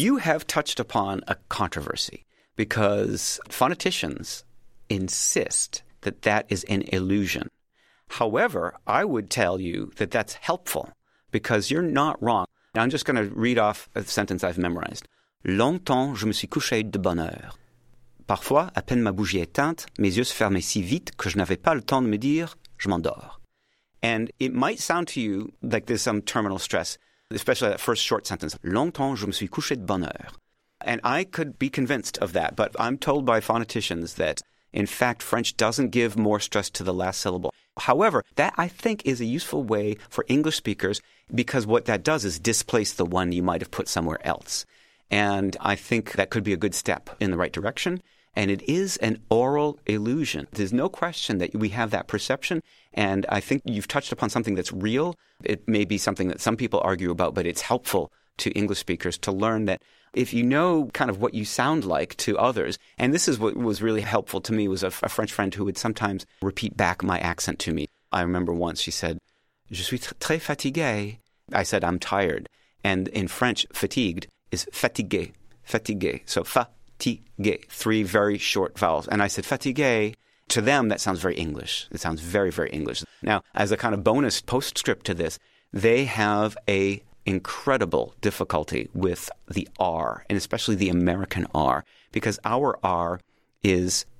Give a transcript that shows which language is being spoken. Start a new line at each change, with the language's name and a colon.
English: You have touched upon a controversy because phoneticians insist that that is an illusion. However, I would tell you that that's helpful. Because you're not wrong. Now, I'm just going to read off a sentence I've memorized.
French: Longtemps, je me suis couché de bonne heure. Parfois, à peine ma bougie éteinte, mes yeux se fermaient si vite que je n'avais pas le temps de me dire, je m'endors.
English: And it might sound to you like there's some terminal stress, especially that first short sentence.
French: Longtemps, je me suis couché de bonne heure.
English: And I could be convinced of that, but I'm told by phoneticians that, in fact, French doesn't give more stress to the last syllable. However, that I think is a useful way for English speakers because what that does is displace the one you might have put somewhere else. And I think that could be a good step in the right direction. And it is an oral illusion. There's no question that we have that perception. And I think you've touched upon something that's real. It may be something that some people argue about, but it's helpful to English speakers to learn that if you know kind of what you sound like to others, and this is what was really helpful to me, was a French friend who would sometimes repeat back my accent to me. I remember once she said,
French: je suis très fatigué.
English: I said, I'm tired. And in French, fatigued is fatigué, fatigué. So fatigué, three very short vowels. And I said, fatigué. To them, that sounds very English. It sounds very, very English. Now, as a kind of bonus postscript to this, they have a incredible difficulty with the R, and especially the American R, because our R is